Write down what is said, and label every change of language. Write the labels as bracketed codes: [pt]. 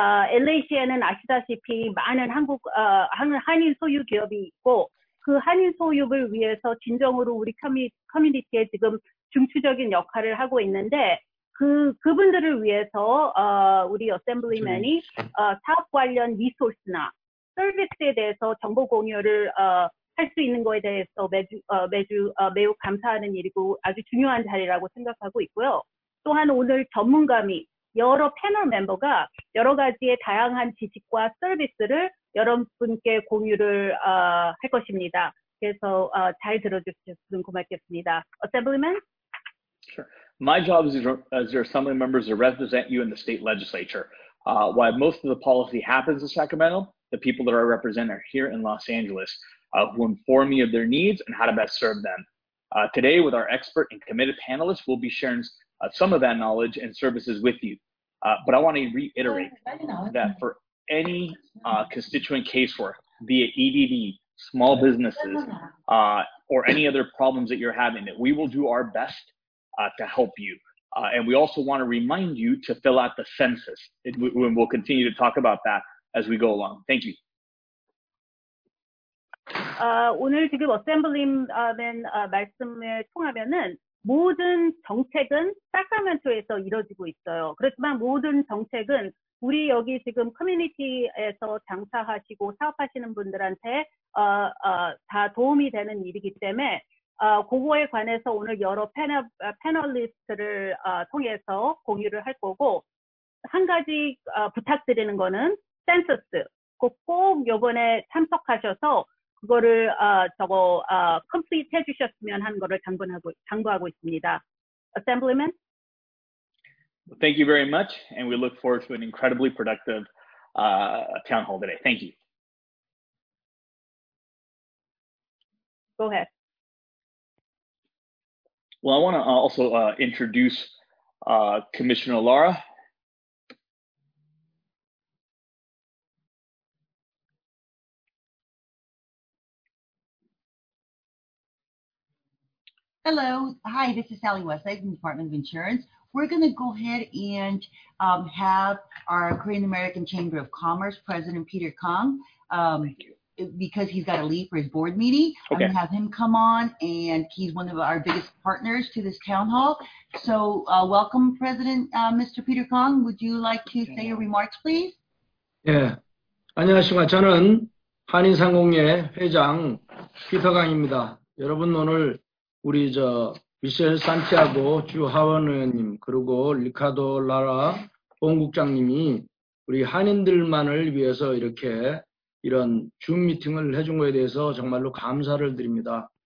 [ko] LA시에는 아시다시피 많은 한인 소유 기업이 있고 그 한인 소유를 위해서 진정으로 우리 커뮤니티에 지금 중추적인 역할을 하고 있는데 그분들을 위해서 우리 어셈블리맨이 사업 관련 리소스나 서비스에 대해서 정보 공유를 할 수 있는 거에 대해서 매우 감사하는 일이고 아주 중요한 자리라고 생각하고 있고요. 또한 오늘 전문가 및 여러 패널 멤버가 여러 가지의 다양한 지식과 서비스를 여러분께 공유를 할 것입니다. 그래서 잘 들어주셨으면 고맙겠습니다. 어셈블리맨? [en] My job as your assembly members is to represent you in the state legislature. While most of the policy happens in Sacramento, the people that I represent are here in Los Angeles, who inform me of their needs and how to best serve them. Today, with our expert and committed panelists, we'll be sharing some of that knowledge and services with you. But I want to reiterate that for any constituent casework, be it EDD, small businesses, or any other problems that you're having, that we will do our best to help you. And we also want to remind you to fill out the census. And we'll continue to talk about that as we go along. Thank you. [ko] 오늘 지금 어셈블리맨 말씀을 통하면은 모든 정책은 사크라멘토에서 이루어지고 있어요. 그렇지만 모든 정책은 우리 여기 지금 커뮤니티에서 장사하시고 사업하시는 분들한테 다 도움이 되는 일이기 때문에 그거에 관해서 오늘 여러 패널리스트를 통해서 공유를 할 거고 한 가지 부탁드리는 거는 센서스 꼭 이번에 참석하셔서 그거를 complete 해주셨으면 하는 거를 당부하고 있습니다. [en] Assemblyman? Thank you very much, and we look forward to an incredibly productive town hall today. Thank you. Go ahead. Well, I want to also introduce Commissioner Lara. Hello. Hi, this is Sally Westlake from the Department of Insurance. We're going to go ahead and have our Korean American Chamber of Commerce President Peter Kong because he's got to leave for his board meeting. Okay. I'm going to have him come on, and he's one of our biggest partners to this town hall. So welcome, President Mr. Peter Kong. Would you like to say your remarks, please? [ko] Yeah. 안녕하십니까. 저는 한인상공회 회장 피터 강입니다. 여러분 오늘 우리 저 미셸 산티아고 주 하원 의원님 그리고 리카도 라라 본국장님이 우리 한인들만을 위해서 이렇게 이런 줌 미팅을 해준 거에 대해서 정말로 감사를 드립니다.